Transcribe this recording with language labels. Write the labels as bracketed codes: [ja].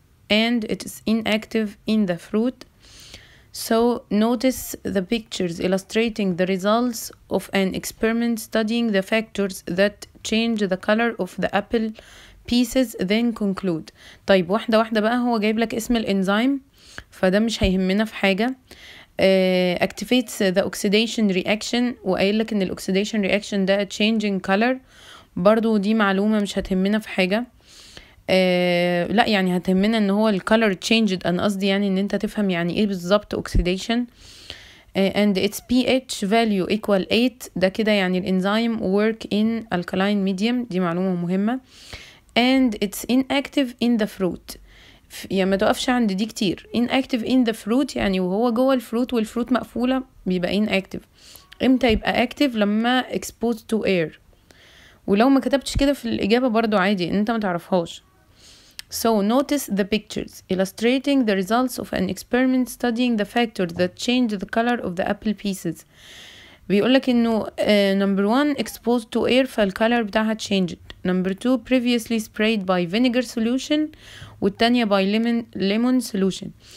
[en] and it is inactive in the fruit. So notice the pictures illustrating the results of an experiment studying the factors that change the color of the apple pieces, then conclude. [ar] طيب واحدة واحدة بقى، هو جايب لك اسم الانزيم، فده مش هيهمنا في حاجة. [en] Activates the oxidation reaction، [ar] وقايل لك ان الoxidation reaction ده [en] changing color، [ar] برضو دي معلومة مش هتهمنا في حاجة. لا يعني هتهمنا ان هو الكالر changed، انا قصدي يعني ان انت تفهم يعني ايه بالظبط oxidation. [en] And its pH value equal 8، [ar] ده كده يعني الانزيم [en] work in alkaline medium، [ar] دي معلومة مهمة. [en] And it's inactive in the fruit، [ar] يعني ما توقفش عند دي كتير. [en] inactive in the fruit [ar] يعني وهو جوه الفروت والفروت مقفولة بيبقى inactive. امتى يبقى [en] active؟ لما exposed to air. [ar] ولو ما كتبتش كده في الإجابة برضو عادي، انت ما تعرفهاش. [en] So notice the pictures illustrating the results of an experiment studying the factor that changed the color of the apple pieces. [ar] بيقولك انه [en] number one exposed to air فالcolor بتاعها changed. Number two previously sprayed by vinegar solution، والتانية by lemon solution.